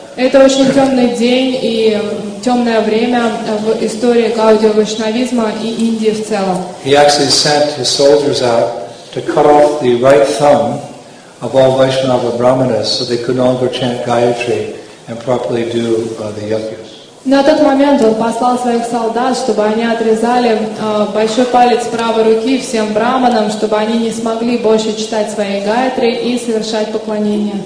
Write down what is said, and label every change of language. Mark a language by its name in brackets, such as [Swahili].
[Russian] Это очень темный день и темное время в истории Гаудия Вайшнавизма и Индии в целом. [English] He actually sent his soldiers out to cut off the right thumb of all Vaishnava Brahmanas so they could no longer chant Gayatri and properly do the yajnas. [Russian] На тот момент он послал своих солдат, чтобы они отрезали большой палец правой руки всем браманам, чтобы они не смогли больше читать свои гаятри и совершать поклонение.